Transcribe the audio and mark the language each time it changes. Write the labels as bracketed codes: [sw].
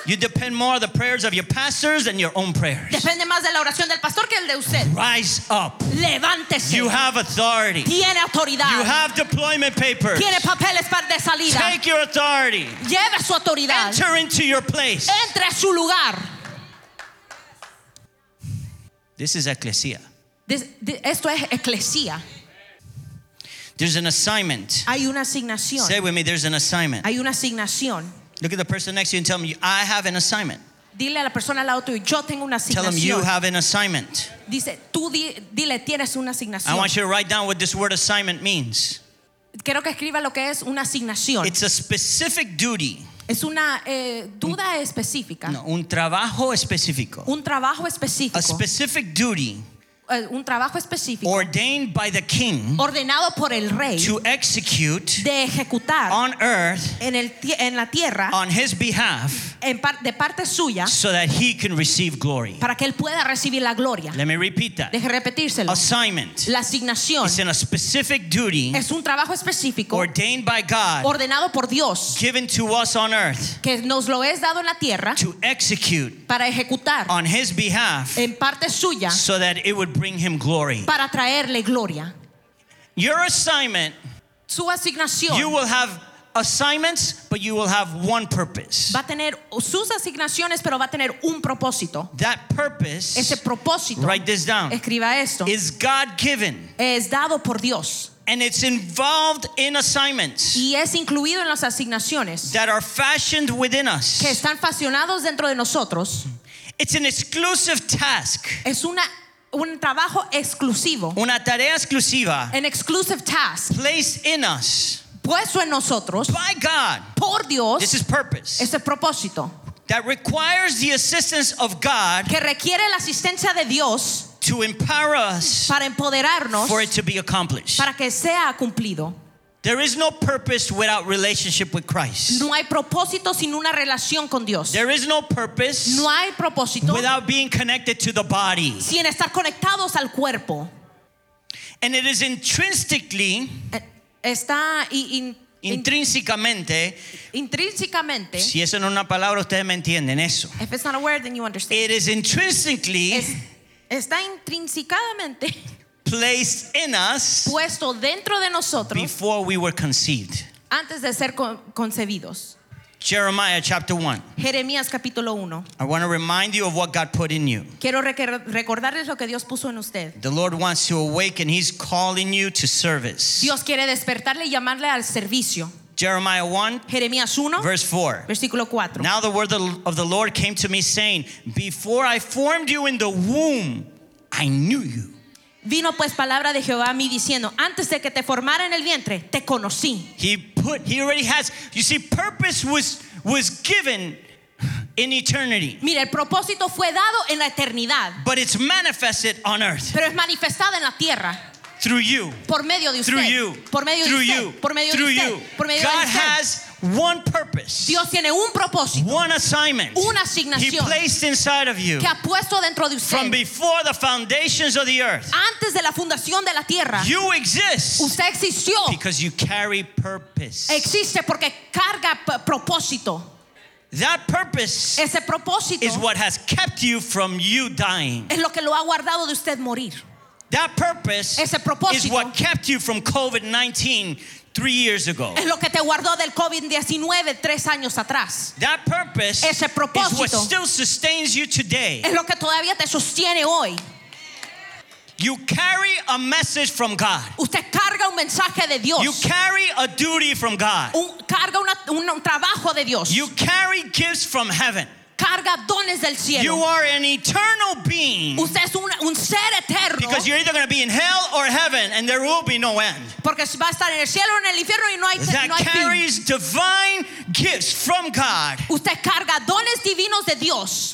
[en] You depend more on the prayers of your pastors than your own prayers. [es] Depende más de la oración del pastor que el de usted. [en] Rise up. [es] Levántese. [en] You have authority. [es] Tiene autoridad. [en] You have deployment papers. [es] Tiene papeles para de salida. [en] Take your authority. [es] Lleve su autoridad. [en] Enter into your place. [es] Entre a su lugar. [en] This is ecclesia. [es] Esto es ecclesia. [en] There's an assignment. [es] Hay una asignación. [en] Say with me, there's an assignment. [es] Hay una asignación. [en] Look at the person next to you and tell them, I have an assignment. [es] Dile a la persona al lado tuyo, yo tengo una asignación. [en] Tell them, you have an assignment. [es] Dice, tú dile, tienes una asignación. [en] I want you to write down what this word assignment means. [es] Quiero que escriba lo que es una asignación. [en] It's a specific duty. [es] Es una duda específica. No, un trabajo específico. Un trabajo específico. [en] A specific duty. [es] Un trabajo específico [en] ordained by the king, [es] ordenado por el rey, [en] to execute, [es] de ejecutar, [en] on earth, [es] en la tierra, [en] on his behalf, [es] de parte suya, [en] so that he can receive glory, [es] para que él pueda recibir la gloria. [en] Let me repeat that. [es] Deje repetírselo. [en] Assignment. [es] La asignación. [en] It's in a specific duty. [es] Es un trabajo específico [en] ordained by God, [es] ordenado por Dios, [en] given to us on earth, [es] que nos lo es dado en la tierra, [en] to execute, [es] para ejecutar, [en] on his behalf, [es] en parte suya, [en] so that it would bring him glory. [es] Para traerle gloria. [en] Your assignment. [es] Su asignación. [en] You will have assignments, but you will have one purpose. [es] Va a tener sus asignaciones, pero va a tener un propósito. [en] That purpose. [es] Ese propósito. [en] Write this down. [es] Escriba esto. [en] Is God given? [es] Es dado por Dios. [en] And it's involved in assignments. [es] Y es incluido en las asignaciones. [en] That are fashioned within us. [es] Que están fashionados dentro de nosotros. [en] It's an exclusive task. [es] Es una un trabajo exclusivo, una tarea exclusiva, [en] an exclusive task, placed in us, [es] puesto en nosotros, [en] by God, [es] por Dios. [en] This is purpose, [es] es el propósito, [en] that requires the assistance of God, [es] que requiere la asistencia de Dios, [en] to empower us, [es] para empoderarnos, [en] for it to be accomplished, [es] para que sea cumplido. [en] There is no purpose without relationship with Christ. [es] No hay propósito sin una relación con Dios. [en] There is no purpose. [es] No hay propósito [en] without being connected to the body. [es] Sin estar conectados al cuerpo. [en] And it is intrinsically. [es] Está intrínsecamente. Intrínsecamente. Si eso no es una palabra, ustedes me entienden eso. [en] If it's not a word, then you understand. It is intrinsically. [es] Está intrínsecamente. [en] Placed in us, [es] puesto dentro de nosotros, [en] before we were conceived, [es] antes de ser concebidos. [en] Jeremiah chapter 1. [es] Jeremías capítulo 1. [en] I want to remind you of what God put in you. [es] Quiero recordarles lo que Dios puso en usted. [en] The Lord wants to awaken, he's calling you to service. [es] Dios quiere despertarle y llamarle al servicio. [en] Jeremiah 1, [es] Jeremías 1, [en] verse 4. [es] Versículo 4. [en] Now the word of the Lord came to me saying, before I formed you in the womb, I knew you. [es] Vino pues palabra de Jehová a mí diciendo, antes de que te formara en el vientre, te conocí. [en] He already has, you see, purpose was given in eternity. [es] Mira, el propósito fue dado en la eternidad. [en] But it's manifested on earth. [es] Pero es manifestado en la tierra. [en] Through you. [es] Por medio de usted. [en] Through you. [es] Por medio [en] through [es] de usted. [en] You. [es] Por medio [en] through [es] de usted. [en] You. [es] Por medio [en] God [es] de usted. [en] Has one purpose. [es] Dios tiene un propósito. [en] One assignment. [es] Una asignación. [en] He placed inside of you. [es] Que ha puesto dentro de usted. [en] From before the foundations of the earth. [es] Antes de la fundación de la tierra. [en] You exist. [es] Usted existió. [en] Because you carry purpose. [es] Existe porque carga propósito. [en] That purpose. [es] Ese propósito. [en] Is what has kept you from you dying. [es] Es lo que lo ha guardado de usted morir. [en] That purpose. [es] Ese propósito. [en] Is what kept you from COVID-19. 3 years ago. [es] Es lo que te guardó del COVID-19 tres años atrás. [en] That purpose. [es] Ese propósito. [en] Is what still sustains you today. [es] Es lo que todavía te sostiene hoy. [en] You carry a message from God. [es] Usted carga un mensaje de Dios. [en] You carry a duty from God. [es] Carga un trabajo de Dios. [en] You carry gifts from heaven. [es] Carga dones del cielo. [en] You are an eternal being. [es] Usted es un ser eterno. [en] Because you're either going to be in hell or heaven, and there will be no end. [es] Porque va a estar en el cielo o en el infierno y no hay fin. [en] That carries divine gifts from God. [es] Usted carga dones divinos de Dios.